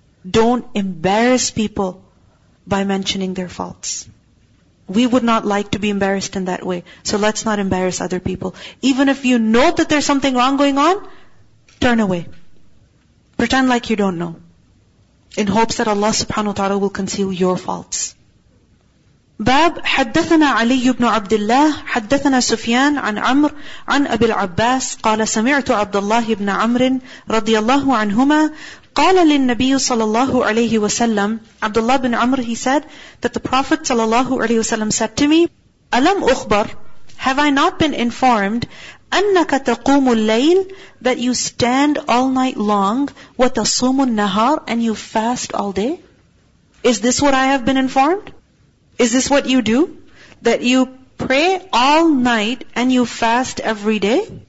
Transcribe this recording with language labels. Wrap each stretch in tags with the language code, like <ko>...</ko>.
<en>Don't embarrass people by mentioning their faults. We would not like to be embarrassed in that way. So let's not embarrass other people. Even if you know that there's something wrong going on, turn away. Pretend like you don't know. In hopes that Allah subhanahu wa ta'ala will conceal your faults.</en> <ar>Bab, حَدَّثَنَا عَلِيُّ بْنُ عَبْدِ اللَّهِ حَدَّثَنَا سُفْيَانَ عَنْ عَمْرٍ عَنْ أَبِي الْعَبَّاسِ قَالَ سَمِعْتُ عَبْدَ اللَّهِ بْنَ عَمْرٍ رَضِيَ اللَّهُ عَنْهُمَا قَالَ لِلنَّبِيُّ صَلَى اللَّهُ عَلَيْهِ وَسَلَّمْ</ar> <en>Abdullah bin Amr, he said that the Prophet</en> <ar>صلى الله عليه وسلم</ar> <en>said to me,</en> <ar>أَلَمْ أُخْبَرْ</ar> <en>Have I not been informed?</en> <ar>أَنَّكَ تَقُومُ اللَّيْلِ</ar> <en>That you stand all night long,</en> <ar>وَتَصُومُ النَّهَارِ</ar> <en>And you fast all day. Is this what I have been informed? Is this what you do? That you pray all night and you fast every day?</en>